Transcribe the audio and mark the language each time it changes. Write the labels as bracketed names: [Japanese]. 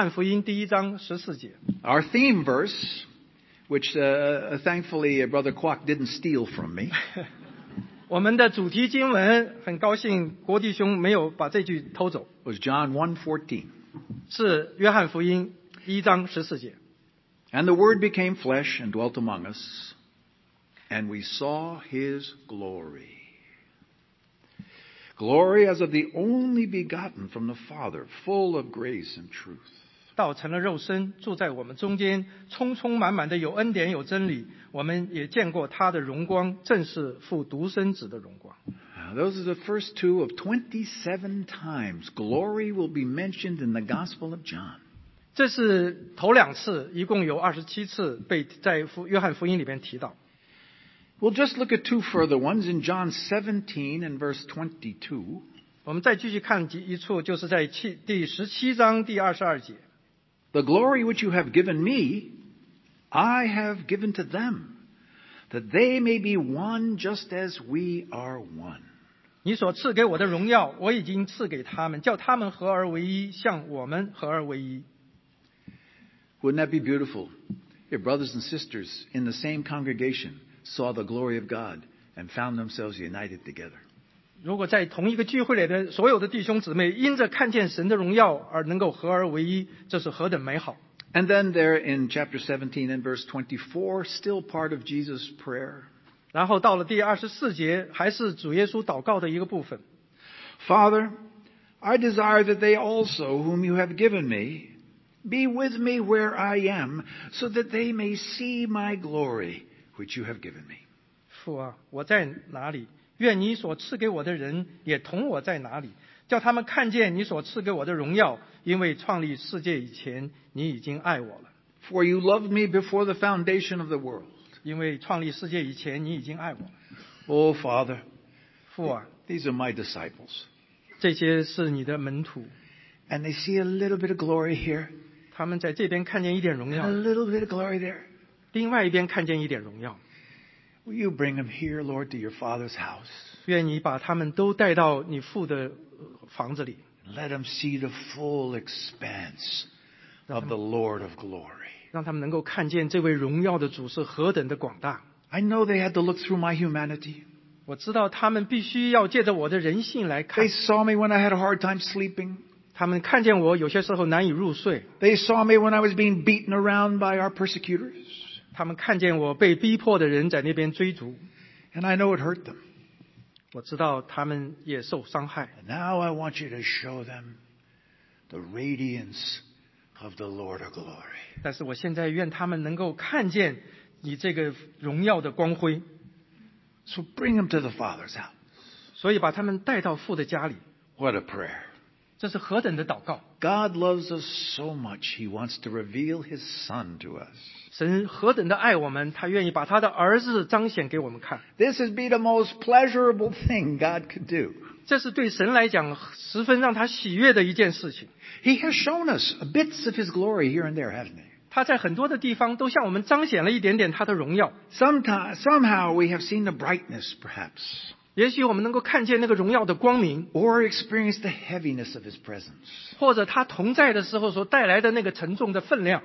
[Chinese] 我们一起来读几处的经文，我们先看约翰福音第一章14节。 [English] Our theme verse, which thankfully Brother Kwok didn't steal from me. [Chinese] 我们的主题经文，很高兴国弟兄没有把这句偷走。 [English] Was John 1:14. [Chinese] 是约翰福音一章十四节。 [English] And the word became flesh and dwelt among us, and we saw his glory. Glory as of the only begotten from the Father, full of grace and truth. [Chinese] 道成了肉身，住在我们中间，充满的有恩典，有真理。我们也见过他的荣光，正是父独生子的荣光。 [English] Those are the first two of 27 times glory will be mentioned in the Gospel of John. [Chinese] 这是头两次，一共有27次被在约翰福音里面提到。 [English] We'll just look at two further ones in John 17 and verse 22. [Chinese] 我们再继续看一处，就是在第17章第22节。 [English] The glory which you have given me, I have given to them, that they may be one just as we are one. [Chinese] 你所赐给我的荣耀，我已经赐给他们，叫他们合而为一，像我们合而为一。 [English] Wouldn't that be beautiful if brothers and sisters in the same congregation saw the glory of God and found themselves united together? [Chinese] 如果在同一个聚会里的所有的弟兄姊妹因着看见神的荣耀而能够合而为一，这是何等美好。 [English] And then there in chapter 17 and verse 24, still part of Jesus' prayer. [Chinese] 然后到了第24节，还是主耶稣祷告的一个部分。 [English] Father, I desire that they also whom you have given me be with me where I am, so that they may see my glory which you have given me. [Chinese] 父啊，我在哪里？愿你所赐给我的人也同我在哪里，叫他们看见你所赐给我的荣耀，因为创立世界以前你已经爱我了。 [English] For you loved me before the foundation of the world. [Chinese] 因为创立世界以前你已经爱我了。 [English] Oh Father, [Chinese] 父啊， [English] these are my disciples. [Chinese] 这些是你的门徒。 [English] And they see a little bit of glory here. [Chinese] 他们在这边看见一点荣耀。 [English] A little bit of glory there. [Chinese] 另外一边看见一点荣耀。 [English] Will you bring them here, Lord, to your Father's house? [Chinese] 愿你把他们都带到你父的房子里。 [English] Let them see the full expanse of the Lord of glory. [Chinese] 让他们能够看见这位荣耀的主是何等的广大。 [English] I know they had to look through my humanity. [Chinese] 我知道他们必须要借着我的人性来看。 [English] They saw me when I had a hard time sleeping. [Chinese] 他们看见我有些时候难以入睡。 [English] They saw me when I was being beaten around by our persecutors. [Chinese] 他们看见我被逼迫的人在那边追逐。 [English] And I know it hurt them. [Chinese] 我知道他们也受伤害。 [English] And now I want you to show them the radiance of the Lord of glory. [Chinese] 但是我现在愿他们能够看见你这个荣耀的光辉。 [English] So bring them to the Father's house. [Chinese] 所以把他们带到父的家里。 [English] What a prayer. [Chinese] 这是何等的祷告。 [English] God loves us so much, He wants to reveal His Son to us. [Chinese] 神何等的爱我们，他愿意把他的儿子彰显给我们看。 [English] This would be the most pleasurable thing God could do. [Chinese] 这是对神来讲十分让他喜悦的一件事情。 [English] He has shown us bits of His glory here and there, hasn't he? [Chinese] 他在很多的地方都向我们彰显了一点点他的荣耀。 [English] Somehow we have seen the brightness, perhaps. [Chinese] 也许我们能够看见那个荣耀的光明。 [English] Or experience the heaviness of His presence. [Chinese] 或者他同在的时候所带来的那个沉重的分量。